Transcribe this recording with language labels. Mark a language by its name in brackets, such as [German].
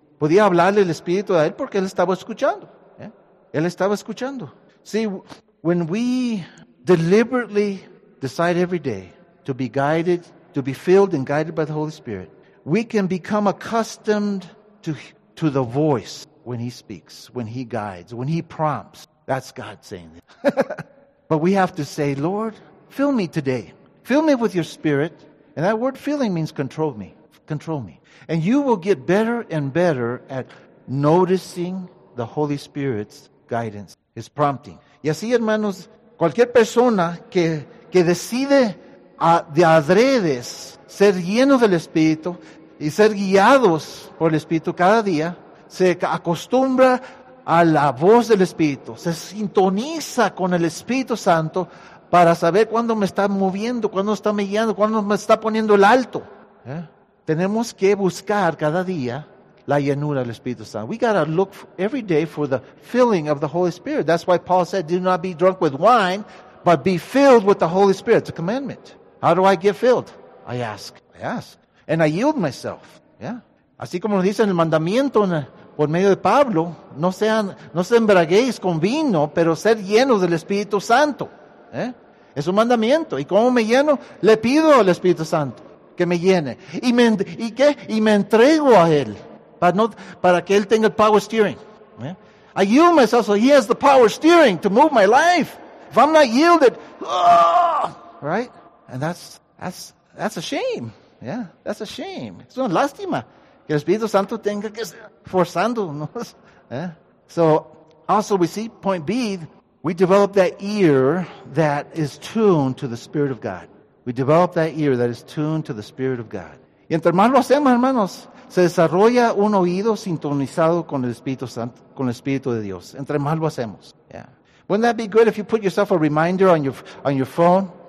[Spanish] Podía hablarle el Espíritu a él porque él estaba escuchando. Él estaba escuchando. [English] See, when we deliberately decide every day to be guided, to be filled and guided by the Holy Spirit, we can become accustomed to the voice when He speaks, when He guides, when He prompts. That's God saying that. But we have to say, Lord, fill me today. Fill me with your Spirit. And that word filling means control me. Control me. And you will get better and better at noticing the Holy Spirit's guidance, His prompting. [Spanish] Y así, hermanos, cualquier persona que decide de adredes ser llenos del Espíritu y ser guiados por el Espíritu cada día, se acostumbra a la voz del Espíritu, se sintoniza con el Espíritu Santo para saber cuándo me está moviendo, cuándo está me guiando, cuándo me está poniendo el alto. Tenemos que buscar cada día la llenura del Espíritu Santo. [English] We gotta look every day for the filling of the Holy Spirit. That's why Paul said, do not be drunk with wine, but be filled with the Holy Spirit. It's a commandment. How do I get filled? I ask. And I yield myself. Yeah. [Spanish] Así como dice en el mandamiento por medio de Pablo, no se embraguéis con vino, pero ser llenos del Espíritu Santo. Es un mandamiento. ¿Y cómo me lleno? Le pido al Espíritu Santo que me llene. ¿Y me entrego a Él. Para que Él tenga el power steering. [English] I yield myself so He has the power steering to move my life. If I'm not yielded, right? And that's a shame. Yeah, that's a shame. [Spanish] Es una lástima que el Espíritu Santo tenga que forzándonos. [English] Yeah. So, also we see point B, we develop that ear that is tuned to the Spirit of God. We develop that ear that is tuned to the Spirit of God. [Spanish] Y entre más lo hacemos, hermanos, se desarrolla un oído sintonizado con el Espíritu Santo, con el Espíritu de Dios. Entre más lo hacemos. [English] Yeah. Wouldn't that be good if you put yourself a reminder on your phone?